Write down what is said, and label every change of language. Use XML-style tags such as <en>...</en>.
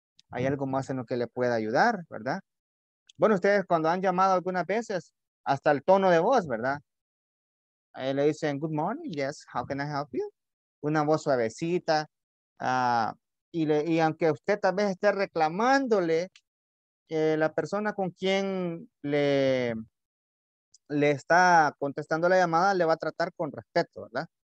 <es>¿Hay algo más en lo que le pueda ayudar, verdad? Bueno, ustedes cuando han llamado algunas veces, hasta el tono de voz, ¿verdad? Ahí le dicen,</es> <en>good morning, yes, how can I help you?</en> <es>Una voz suavecita. Y aunque usted tal vez esté reclamándole, la persona con quien le está contestando la llamada le va a tratar con respeto, ¿verdad?</es>